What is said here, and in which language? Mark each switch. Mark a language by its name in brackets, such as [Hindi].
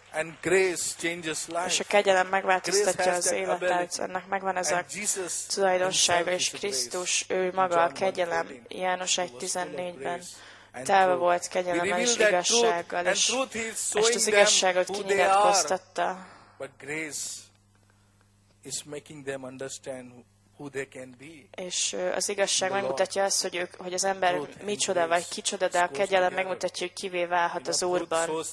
[English] And grace changes life. [Hungarian] És a kegyelem megváltoztatja az életet. Ennek megvan ez a tulajdonsága, és Krisztus, ő maga a kegyelem. János 1:14-ben telve volt kegyelemmel és igazsággal, és ezt az igazságot kinyilatkoztatta. [English] But grace is making them understand who they can be. [Hungarian] És az igazság megmutatja azt, hogy ők, hogy az ember micsoda vagy kicsoda, de a kegyelem megmutatja, hogy kivé válhat az Úrban.